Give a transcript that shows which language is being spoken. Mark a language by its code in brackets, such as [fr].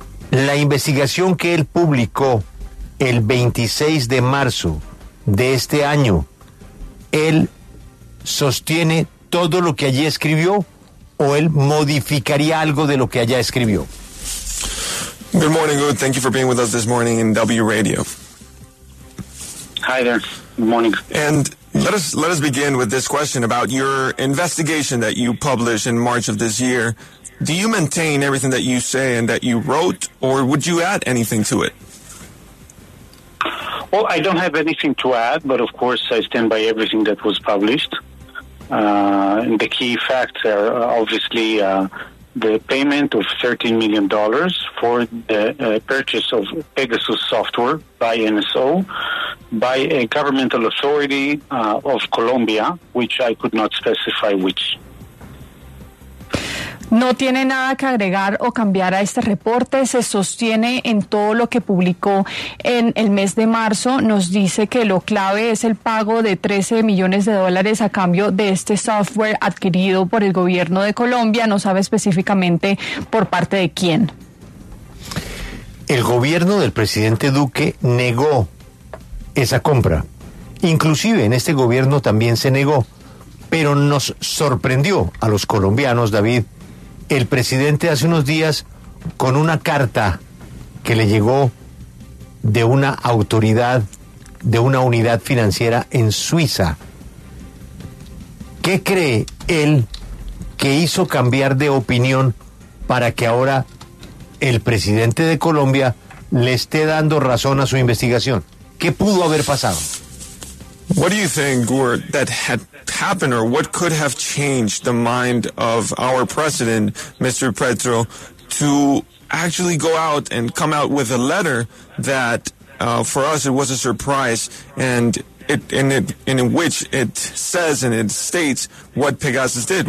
[es] La investigación que él publicó el 26 de marzo de este año, ¿él sostiene todo lo que allí escribió o él modificaría algo de lo que allá escribió? [en] Good morning, Gud. Thank you for being with us this morning in W Radio. Hi there. Good morning. And let us begin with this question about your investigation that you published in March of this year. Do you maintain everything that you say and that you wrote, or would you add anything to it? Well, I don't have anything to add, but of course I stand by everything that was published. And the key facts are obviously the payment of $13 million for the purchase of Pegasus software by NSO, by a governmental authority of Colombia, which I could not specify which. [es] No tiene nada que agregar o cambiar a este reporte, se sostiene en todo lo que publicó en el mes de marzo, nos dice que lo clave es el pago de 13 millones de dólares a cambio de este software adquirido por el gobierno de Colombia, no sabe específicamente por parte de quién. El gobierno del presidente Duque negó esa compra, inclusive en este gobierno también se negó, pero nos sorprendió a los colombianos, David. El presidente hace unos días, con una carta que le llegó de una autoridad, de una unidad financiera en Suiza, ¿qué cree él que hizo cambiar de opinión para que ahora el presidente de Colombia le esté dando razón a su investigación? ¿Qué pudo haber pasado? [en] What do you think, Gur, that had happened, or what could have changed the mind of our president, Mr. Petro, to actually go out and come out with a letter that, for us, it was a surprise, and in which it says and it states what Pegasus did.